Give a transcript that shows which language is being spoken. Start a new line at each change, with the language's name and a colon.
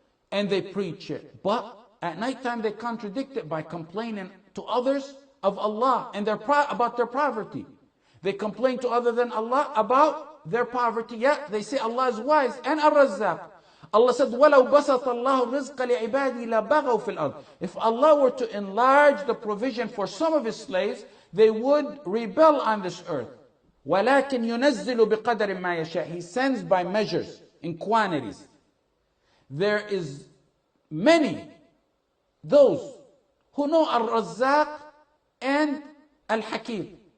English: And they preach it. But at nighttime they contradict it by complaining to others of Allah and about their poverty. They complain to other than Allah about their poverty. Yet they say Allah is wise and al-Razzaq. Allah said,
Arabic: وَلَوْ بَسَطَ اللَّهُ الرِّزْقَ لِعِبَادِي لَبَغَوْا فِي الْأَرْضِ.
English: If Allah were to enlarge the provision for some of His slaves, they would rebel on this earth.
Arabic: وَلَكِنْ يُنَزِّلُ بِقَدَرٍ مَا يَشَاءُ.
English: He sends by measures in quantities. There is many those who know al-Razzaq and al-Hakim.